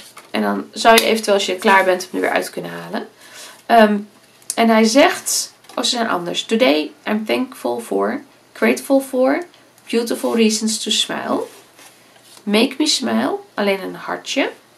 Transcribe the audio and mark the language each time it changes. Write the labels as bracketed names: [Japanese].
[Dutch] En dan zou je eventueel, als je klaar bent, hem nu weer uit kunnen halen. En hij zegt, oh, ze zijn anders. [English] Today I'm thankful for, grateful for, beautiful reasons to smile. Make me smile, [Dutch] alleen een hartje.